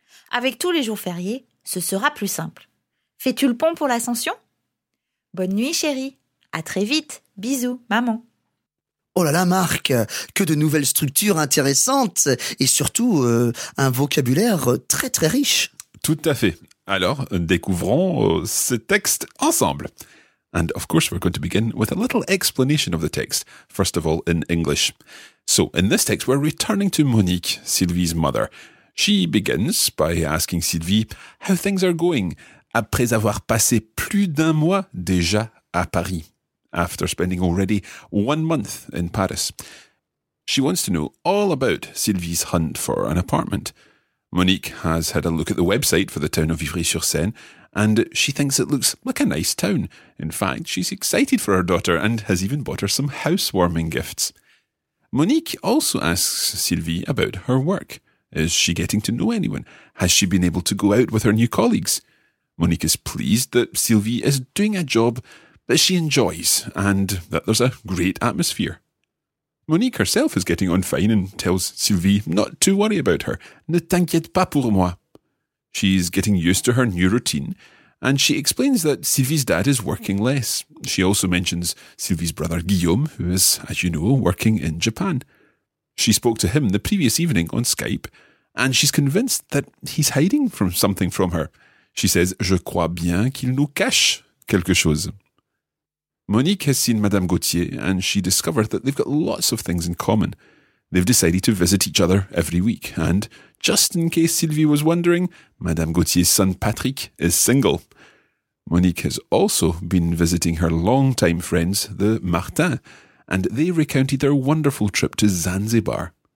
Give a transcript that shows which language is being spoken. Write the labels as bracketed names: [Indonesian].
[French] Avec tous les jours fériés, ce sera plus simple. Fais-tu le pont pour l'Ascension ? Bonne nuit, chérie. À très vite. Bisous, maman. Oh là là, Marc, que de nouvelles structures intéressantes et surtout un vocabulaire très très riche. Tout à fait. Alors, découvrons ces textes ensemble. [English] And of course, we're going to begin with a little explanation of the text, first of all in English. So, in this text, we're returning to Monique, Sylvie's mother. She begins by asking Sylvie how things are going [French] après avoir passé plus d'un mois déjà à Paris. [English] After spending already 1 month in Paris. She wants to know all about Sylvie's hunt for an apartment. Monique has had a look at the website for the town of Ivry-sur-Seine, and she thinks it looks like a nice town. In fact, she's excited for her daughter and has even bought her some housewarming gifts. Monique also asks Sylvie about her work. Is she getting to know anyone? Has she been able to go out with her new colleagues? Monique is pleased that Sylvie is doing a job that she enjoys, and that there's a great atmosphere. Monique herself is getting on fine and tells Sylvie not to worry about her. [French] Ne t'inquiète pas pour moi. [English] She's getting used to her new routine, and she explains that Sylvie's dad is working less. She also mentions Sylvie's brother Guillaume, who is, as you know, working in Japan. She spoke to him the previous evening on Skype, and she's convinced that he's hiding from something from her. She says, [French] je crois bien qu'il nous cache quelque chose. [English] Monique has seen Madame Gauthier and she discovered that they've got lots of things in common. They've decided to visit each other every week and, just in case Sylvie was wondering, Madame Gauthier's son Patrick is single. Monique has also been visiting her long-time friends, the Martins, and they recounted their wonderful trip to Zanzibar.